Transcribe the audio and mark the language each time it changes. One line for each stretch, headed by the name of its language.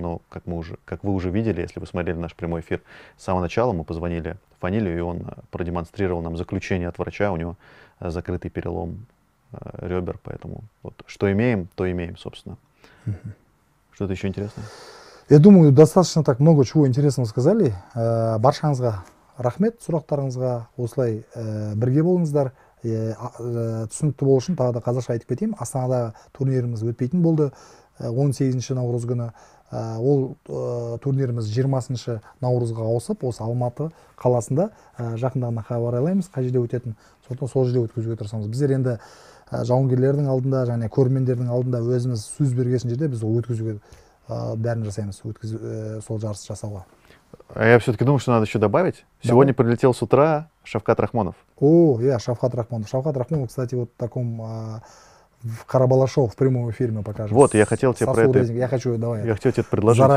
Russian: Но, как вы уже видели, если вы смотрели наш прямой эфир с самого начала, мы позвонили Фанилю, и он продемонстрировал нам заключение от врача. У него закрытый перелом ребер. Поэтому вот что имеем, то имеем, собственно. Что-то еще интересное? Я думаю, достаточно так много чего интересного сказали.
Kazakh: Баршаңызға рахмет сұрақтарыңызға, осылай бірге болыңыздар. Түсінікті болу үшін тағы да қазақша айтып кетейін. Астанада турниріміз өтпейтін болды 18 наурыз күні. Ол турниріміз 20 наурызға ауысып, осы Алматы қаласында жақындағына хабарлаймыз, қай жерде өтетін. Сол жерде өткізуге тырысамыз. Біздер енді жауынгерлердің алдында және көрермендердің алдында өзіміз сөз бергесін жерде біз өткізуге бәрін жасаймыз, сол жарыс жасауға.
Russian: А я все-таки думаю, что надо еще добавить. Сегодня прилетел с утра Шавкат Рахмонов. О, я Шавкат Рахмонов. Шавкат Рахмонов, кстати, вот в таком в Карабалашо в прямом эфире мы покажем. Вот, я хотел тебе про это. Я хочу, давай. Я хотел тебе это предложить.